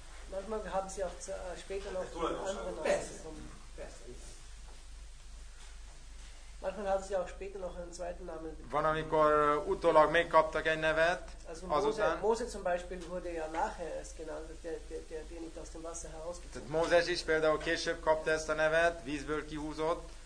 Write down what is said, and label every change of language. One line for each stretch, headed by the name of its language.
German: Manchmal haben Sie auch später noch andere Namen bekommen. Manchmal haben Sie auch später noch einen zweiten Namen bekommen.
Hungarian: Van, amikor utólag megkaptak egy nevet.
German: Also Mose zum Beispiel wurde ja nachher erst genannt, der nicht aus dem Wasser herausgezogen wurde.
Hungarian: Moses ist például később kapta ezt a nevet, vízből kihúzott.